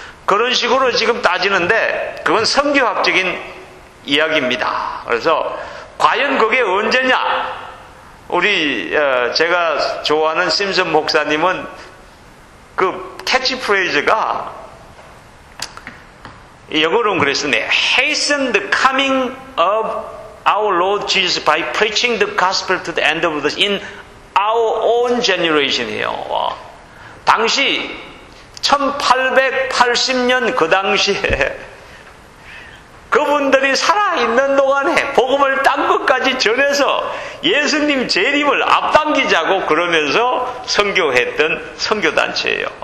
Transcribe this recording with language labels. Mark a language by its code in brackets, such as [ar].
[ko] 그런 식으로 지금 따지는데 그건 선교학적인 이야기입니다. 그래서 과연 그게 언제냐? 우리 제가 좋아하는 심슨 목사님은 그 캐치프레이즈가 영어로는 그랬습니다. [en] Hasten the coming of our Lord Jesus by preaching the gospel to the end of the in our own generation이에요. [ko] 당시 1880년 그 당시에 그분들이 살아있는 동안에 복음을 땅 끝까지 전해서 예수님 재림을 앞당기자고 그러면서 선교했던 선교단체예요.